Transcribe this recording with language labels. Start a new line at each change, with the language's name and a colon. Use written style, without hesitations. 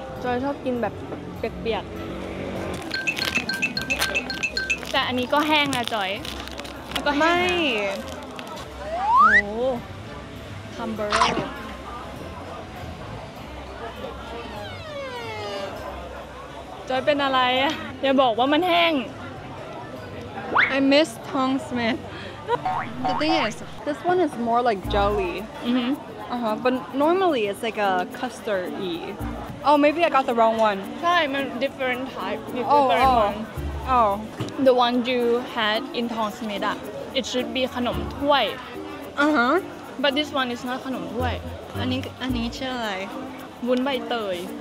Thai: จอยชอบกินแบบเปียกๆแต่อันนี้ก็แห้งนะจอยก็ไม่โหฮัมเบอร์เกอร์จอยเป็นอะไรอ่ะอย่าบอกว่ามันแห้ง
English: I miss Tong Smith The thing is this one is more like jelly but normally it's like a custardy Oh maybe I got the wrong one
Thai: ใช่มัน
English: different type different one Oh the one you had in Tong Smith อ่ะ it should be ขนมถ้วย Uh-huh. But this one is not ขนมถ้วย
Thai: อันนี้ อันนี้ชื่ออะไร วุ้นใบเตย